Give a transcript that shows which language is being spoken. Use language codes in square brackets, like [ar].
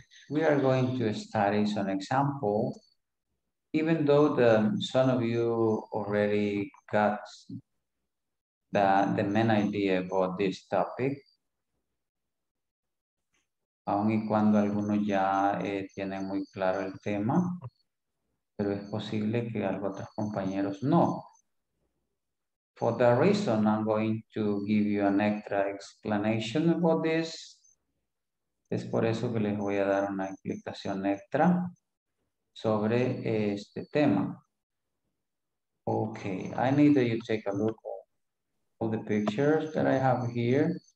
[en] We are going to study some examples, even though some of you already got the main idea about this topic. [es] Aun y cuando algunos ya tienen muy claro el tema, pero es posible que otros compañeros no. [en] For that reason, I'm going to give you an extra explanation about this. [es] Es por eso que les voy a dar una explicación extra sobre este tema. [en] Okay, I need that you take a look at all the pictures that I have here.